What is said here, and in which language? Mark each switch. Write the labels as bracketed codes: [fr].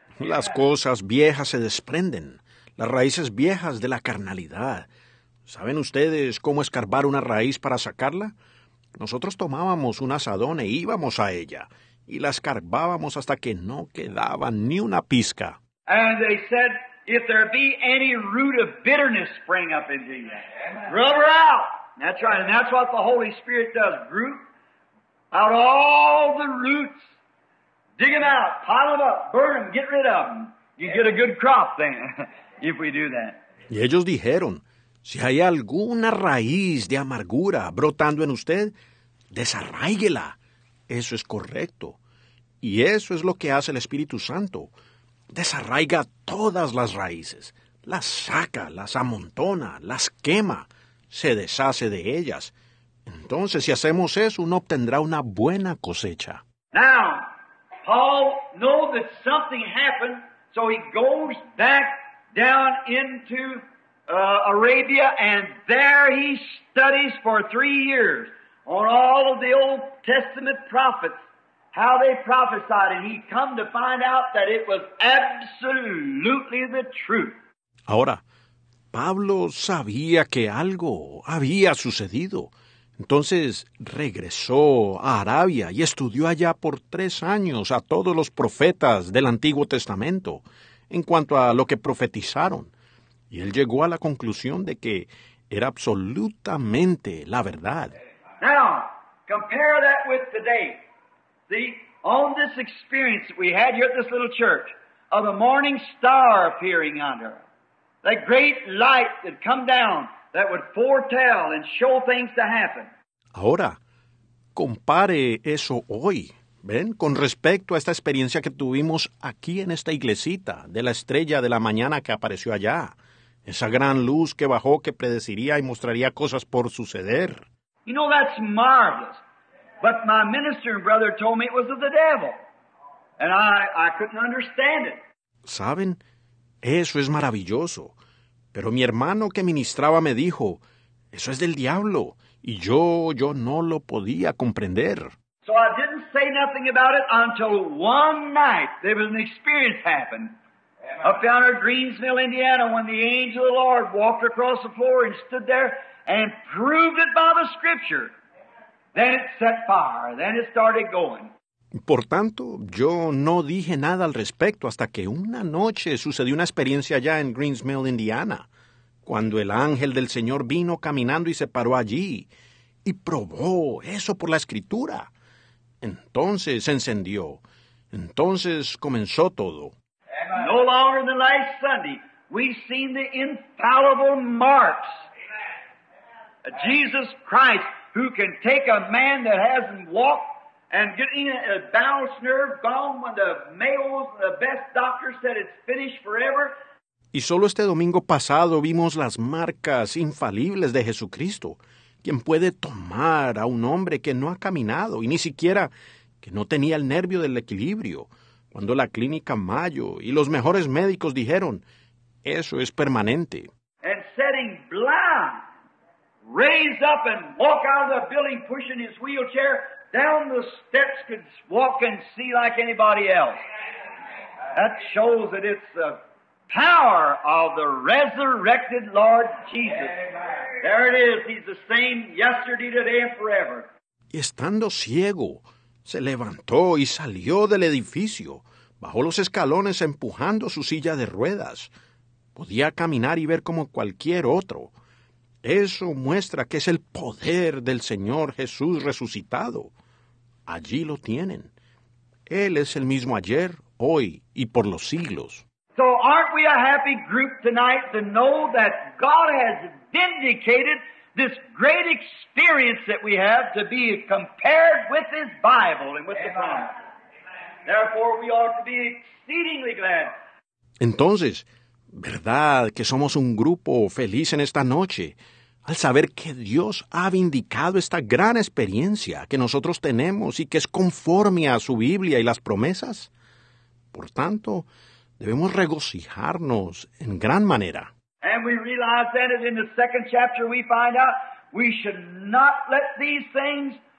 [es] Las cosas viejas se desprenden. Las raíces viejas de la carnalidad. ¿Saben ustedes cómo escarbar una raíz para sacarla? Nosotros tomábamos un azadón e íbamos a ella. Y la escarbábamos hasta que no quedaba ni una pizca. [en] And they said, if there be any root of bitterness spring up into you, grub her out. That's right, and that's what the Holy Spirit does. Root out all the roots. Dig them out, pile them up, burn them, get rid of them. You get a good crop then, if we do that. [es] Y ellos dijeron, si hay alguna raíz de amargura brotando en usted, desarráiguela. Eso es correcto. Y eso es lo que hace el Espíritu Santo. Desarraiga todas las raíces. Las saca, las amontona, las quema. Se deshace de ellas. Entonces, si hacemos eso, uno obtendrá una buena cosecha. [en] Now, Paul knows that something happened, so he goes back down into Arabia, and there he studies for 3 years on all of the Old Testament prophets, how they prophesied, and he come to find out that it was absolutely the truth. [es] Ahora, Pablo sabía que algo había sucedido. Entonces regresó a Arabia y estudió allá por 3 años a todos los profetas del Antiguo Testamento en cuanto a lo que profetizaron. Y él llegó a la conclusión de que era absolutamente la verdad. [en] Now, compare that with today. See, on this experience that we had here at this little church of the morning star appearing under, the great light that come down that would foretell and show things to happen. [es] Ahora, compare eso hoy. ¿Ven? Con respecto a esta experiencia que tuvimos aquí en esta iglesita de la estrella de la mañana que apareció allá. Esa gran luz que bajó que predeciría y mostraría cosas por suceder. [en] You know, that's marvelous. But my minister and brother told me it was of the devil. And I couldn't understand it. [es] ¿Saben? Eso es maravilloso. Pero mi hermano que ministraba me dijo, eso es del diablo. Y yo no lo podía comprender. [en] So I didn't say nothing about it until one night there was an experience happened. Up down in Greensville, Indiana, when the angel of the Lord walked across the floor and stood there and proved it by the scripture, then it set fire, then it started going. [es] Por tanto, yo no dije nada al respecto hasta que una noche sucedió una experiencia allá en Greensville, Indiana, cuando el ángel del Señor vino caminando y se paró allí y probó eso por la escritura. Entonces se encendió. Entonces comenzó todo. [en] No longer than last Sunday, we've seen the infallible marks. Jesus Christ, who can take a man that hasn't walked and getting a balanced nerve gone when the Mayo's and the best doctor said it's finished forever. [es] Y solo este domingo pasado vimos las marcas infalibles de Jesucristo, quien puede tomar a un hombre que no ha caminado y ni siquiera que no tenía el nervio del equilibrio. Cuando la clínica Mayo y los mejores médicos dijeron, eso es permanente. [en] And setting blind, raise up and walk out of the building pushing his wheelchair, down the steps could walk and see like anybody else. That shows that it's the power of the resurrected Lord Jesus. There it is, he's the same yesterday, today, and forever. [es] Y estando ciego, se levantó y salió del edificio, bajó los escalones empujando su silla de ruedas. Podía caminar y ver como cualquier otro. Eso muestra que es el poder del Señor Jesús resucitado. Allí lo tienen. Él es el mismo ayer, hoy y por los siglos. [en] So aren't we a happy group tonight to know that God has vindicated this great experience that we have to be compared with His Bible and with the Bible. Therefore, we ought to be exceedingly glad. [es] Entonces, ¿verdad que somos un grupo feliz en esta noche al saber que Dios ha vindicado esta gran experiencia que nosotros tenemos y que es conforme a su Biblia y las promesas? Por tanto, debemos regocijarnos en gran manera. [en] And we realize that in the second chapter we find out we should not neglect these things.